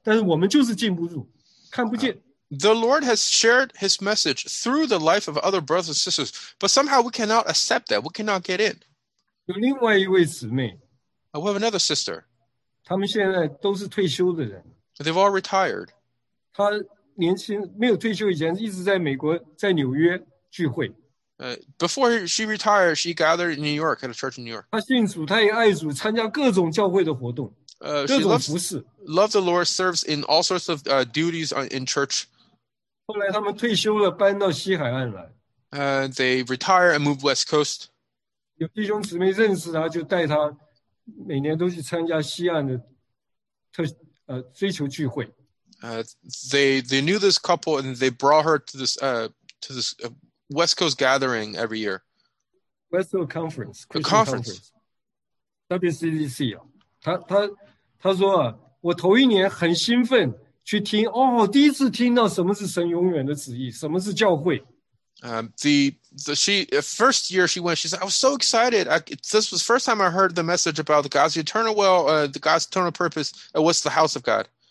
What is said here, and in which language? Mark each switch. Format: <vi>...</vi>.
<zh>主把这些信息借着弟兄姊妹交通给我们,活给我们看,但是我们就是进不入,看不见。</zh> <en>The Lord has shared his message through the life of other brothers and sisters, but somehow we cannot accept that, we cannot get in.</en> <zh>有另外一位姊妹,</zh> <en>we have another sister.</en> <zh>他们现在都是退休的人。They've</zh> <en>all retired.</en> <zh>他年轻,没有退休以前,一直在美国,在纽约聚会。</zh> <en>Before she retired, she gathered in New York at a church in New York.</en> <zh>她信主, 她也爱主, 参加各种教会的活动,</zh> <en>she loves the Lord, serves in all sorts of duties in church.</en> <zh>后来他们退休了, 搬到西海岸来,</zh> <en>they retire and move west coast.</en> <zh>有弟兄姊妹认识她, 就带她, 每年都去参加西岸的特, 追求聚会。</zh> <en>They knew this couple and they brought her to this West Coast gathering every year. West Coast conference. WCDC.</en> <zh>他说我头一年很兴奋去听，哦，第一次听到什么是神永远的旨意，什么是教会。</zh> <en>She first year she went, she said, I was so excited. This was the first time I heard the message about God's eternal will, the God's eternal purpose, what's the house of God.</en>